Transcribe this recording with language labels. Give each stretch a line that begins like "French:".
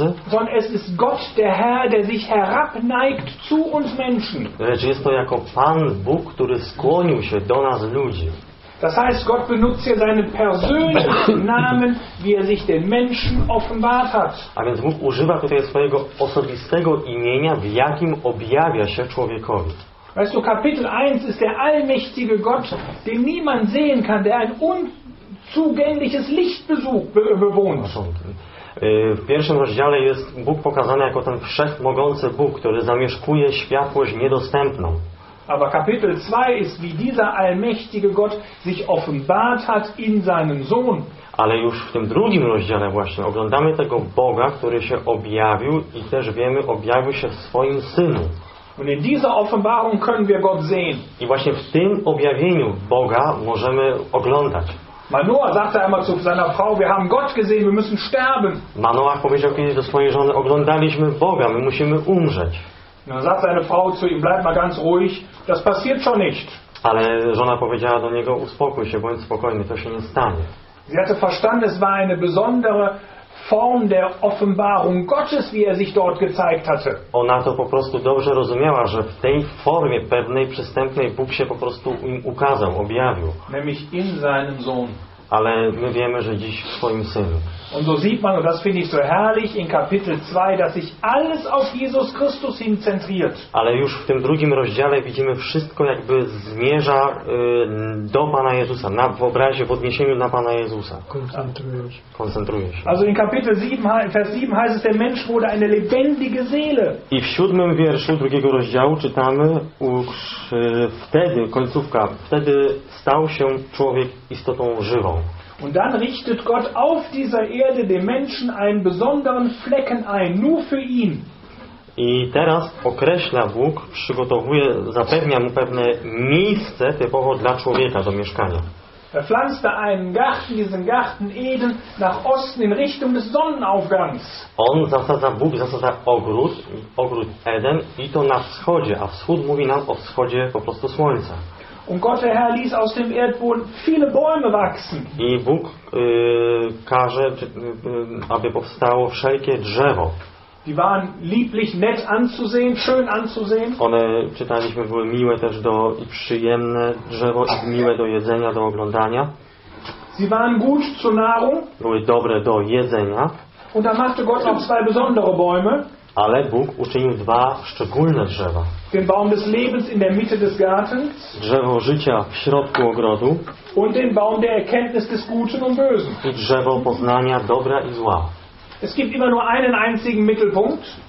German: Sondern es ist Gott, der Herr, der sich herabneigt zu uns Menschen.
Polish: Lecz jest to jako Pan Bóg, który skłonił się do nas ludzi.
German: Das heißt, Gott benutzt hier seinen persönlichen Namen, wie er sich den Menschen offenbart hat.
Polish: A więc Bóg używa tutaj swojego osobistego imienia, w jakim objawia się człowiekowi.
German: Weißt du, Kapitel 1 ist der allmächtige Gott, den niemand sehen kann, der ein unzugängliches Licht bewohnt.
Polish: W pierwszym rozdziale jest Bóg pokazany jako ten wszechmogący Bóg, który zamieszkuje światłość niedostępną.
German: Aber Kapitel 2 ist, wie dieser allmächtige Gott sich offenbart hat in seinem Sohn.
Polish: Ale już w tym drugim rozdziale właśnie oglądamy tego Boga, który się objawił i też wiemy, objawił się w swoim Synu.
German: Und in dieser Offenbarung können wir Gott sehen.
Polish: I właśnie w tym objawieniu Boga możemy oglądać.
German: Manoah sagte einmal zu seiner Frau: Wir haben Gott gesehen, wir müssen sterben.
Polish: Manoah powiedział kiedyś do swojej żony: Oglądaliśmy Boga, my musimy umrzeć.
German: Dann sagt seine Frau zu ihm: Bleib mal ganz ruhig, das passiert schon nicht.
Polish: Ale żona powiedziała do niego: Uspokój się, bądź spokojny, to się nie stanie.
German: Sie hatte verstanden, es war eine besondere Form der Offenbarung Gottes, wie er sich dort gezeigt hatte.
Polish: Ona to po prostu dobrze rozumiała, że w tej formie pewnej przystępnej Bóg się po prostu im ukazał, objawił.
German: Nämlich in seinem Sohn.
Polish: Ale my wiemy, że dziś w swoim Synu.
German: Und so sieht man, und das finde ich so herrlich, in Kapitel 2, dass sich alles auf Jesus Christus hin zentriert.
Polish: Ale już w tym drugim rozdziale widzimy, wszystko jakby zmierza do Pana Jezusa, na w obrazie, w odniesieniu na Pana Jezusa. Koncentruje się.
German: Also in Kapitel 7, Vers 7 heißt es, der Mensch wurde eine lebendige Seele.
Polish: I w siódmym wierszu drugiego rozdziału czytamy, już wtedy, końcówka, wtedy stał się człowiek istotą żywą.
German: Und dann richtet Gott auf dieser Erde dem Menschen einen besonderen Flecken ein, nur für ihn.
Polish: I teraz określa Bóg, przygotowuje, zapewnia mu pewne miejsce typowo dla człowieka do mieszkania.
German: Er pflanzte einen Garten, diesen Garten Eden, nach Osten in Richtung des Sonnenaufgangs.
Polish: On zasadza, Bóg zasadza ogród, ogród Eden i to na wschodzie, a wschód mówi nam o wschodzie po prostu słońca.
German: Und Gott der Herr ließ aus dem Erdboden viele Bäume wachsen.
Polish: I Bóg każe, aby powstało wszelkie drzewo.
German: Die waren lieblich, nett anzusehen, schön anzusehen.
Polish: One, czytaliśmy, były miłe też do i przyjemne drzewo i miłe do jedzenia, do oglądania.
German: Sie waren gut zur Nahrung.
Polish: Były dobre do jedzenia.
German: Und dann machte Gott noch zwei besondere Bäume.
Polish: Ale Bóg uczynił dwa szczególne drzewa.
German: Den Baum des Lebens in der Mitte des Gartens.
Polish: Drzewo życia w środku ogrodu.
German: Und den Baum der Erkenntnis des Guten und Bösen.
Polish: I drzewo poznania dobra i zła.
German: Es gibt immer nur einen einzigen Mittelpunkt.